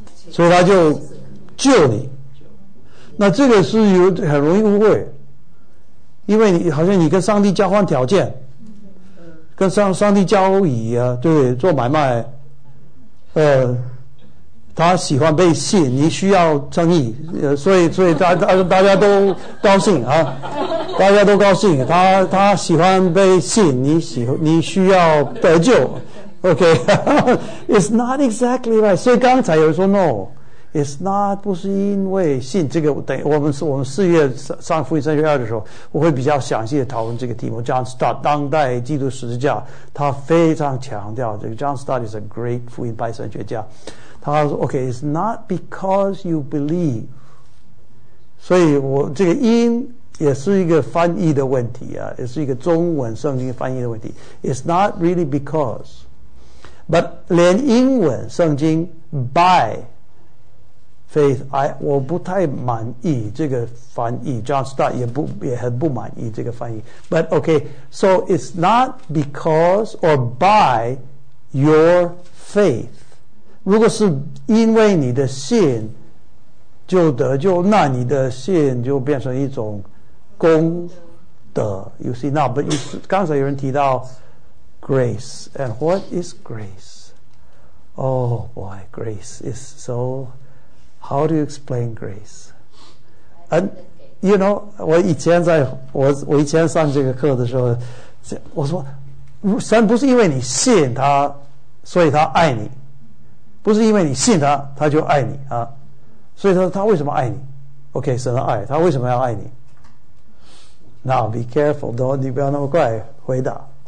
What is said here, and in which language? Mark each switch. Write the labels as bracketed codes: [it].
[zh] 所以他就救你那这个是有很容易误会因为你好像你跟上帝交换条件跟上帝交易啊对做买卖他喜欢被信你需要称义所以 大家都高兴啊大家都高兴他喜欢被信你需要得救 [en] Okay, it's not exactly right. [zh] 所以刚才有说 [en] no, it's not, [zh] 不是因为信这个，等我们四月上福音神学院的时候，我会比较详细的讨论这个题目。 John Stott, 当代基督十字架，他非常强调这个。 [en] John Stott is a great [zh] 福音派神学家。 他说 [en] ,okay, it's not because you believe. [zh] 所以我这个因也是一个翻译的问题啊，也是一个中文圣经翻译的问题。 [en] It's not really because. [zh] But 连英文圣经 [en] by faith, [zh] 我不太满意这个翻译 John Stott 也很不满意这个翻译 [en] But okay, so it's not because or by your faith. [zh] 如果是因为你的信就得救，那你的信就变成一种功德 [en] You see, now, but [zh] 刚才有人提到Grace. [en] And what is grace? Oh boy, grace is so... How do you explain grace? And, you know, [zh] 我以前上这个课的时候，我说，神不是因为你信他，所以他爱你。不是因为你信他，他就爱你啊。所以他说他为什么爱你？ OK, 神的爱，他为什么要爱你？ [en] Now, be careful, don't, [zh] 你不要那么快回答。